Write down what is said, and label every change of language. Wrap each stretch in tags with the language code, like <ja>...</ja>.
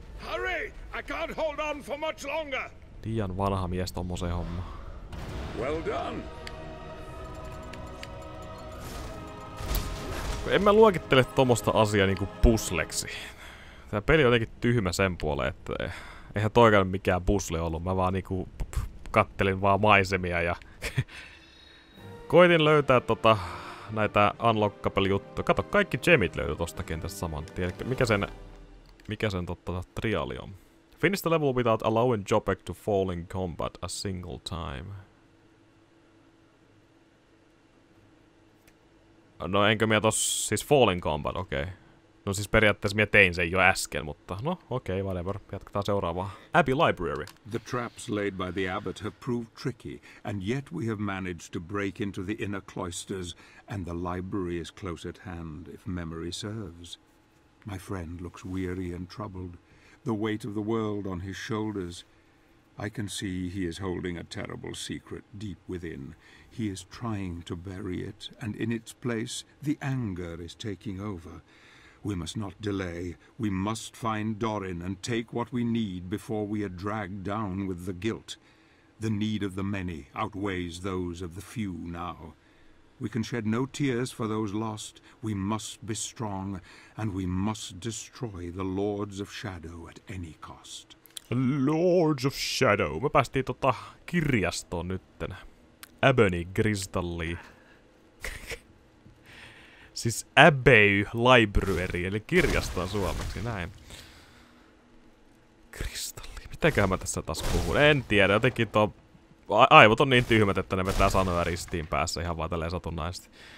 <en>Hurry, I can't hold on for much longer.</en> <fi>Liian vanha mies tommoseen hommaan.</fi> <en>Well done.</en> <fi>En mä luokittele tommosta asiaa niinku pusleksi. Tää peli on jotenkin tyhmä sen puoleen, että eihän toikaan mikään pusle ollut. Mä vaan niinku kattelin vaan maisemia ja koitin löytää tota näitä unlockable juttu. Kato, kaikki gemit löytyy tosta kentästä saman. Tiedätkö, mikä sen totta triali on?</fi> <en>Finish the level without allowing Jopek to fall in combat a single time.</en> <fi>No enkö mä tossa, siis</fi> <en>falling combat,</en> <fi>okei. No siis periaatteessa mä tein sen jo äsken, mutta no okei, whatever. Jatketaan seuraavaa. Abbey Library.</fi> <en>The traps laid by the abbot have proved tricky, and yet we have managed to break into the inner cloisters, and the library is close at hand, if memory serves. My friend looks weary and troubled, the weight of the world on his shoulders. I can see he is holding a terrible secret deep within. He is trying to bury it, and in its place, the anger is taking over. We must not delay. We must find Dorin and take what we need before we are dragged down with the guilt. The need of the many outweighs those of the few now. We can shed no tears for those lost. We must be strong, and we must destroy the Lords of Shadow at any cost. Lords of Shadow.</en> <fi>Me päästiin tota kirjastoon nytten. Ebony Crystalli. Siis Abbey Library, eli kirjastoa suomeksi, näin. Kristalli, mitäköhän mä tässä taas puhun? En tiedä, jotenkin tuo aivot on niin tyhmät, että ne vetää sanoja ristiin päässä ihan vaan tälleen satunnaisesti.</fi>